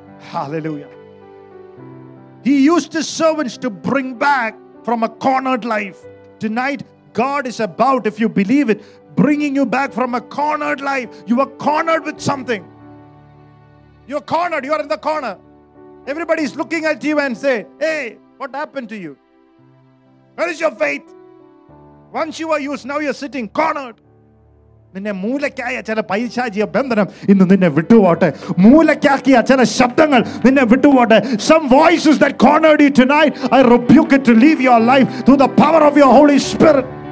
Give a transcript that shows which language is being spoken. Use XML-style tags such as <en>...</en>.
<en>Hallelujah. He used his servants to bring back from a cornered life. Tonight God is about, if you believe it, bringing you back from a cornered life. You are cornered with something. You're cornered. You are in the corner. Everybody is looking at you and say, hey, what happened to you? Where is your faith? Once you were used, now you're sitting cornered.</en> <ml>നിന്നെ മൂലക്കായ ചില പൈശാചിക ബന്ധനം ഇന്ന് നിന്നെ വിട്ടുപോട്ടെ. മൂലക്കാക്കിയ ചില ശബ്ദങ്ങൾ നിന്നെ വിട്ടുപോട്ടെ.</ml> <en>Some voices that cornered you tonight, I rebuke it to leave your life through the power of your Holy Spirit.</en>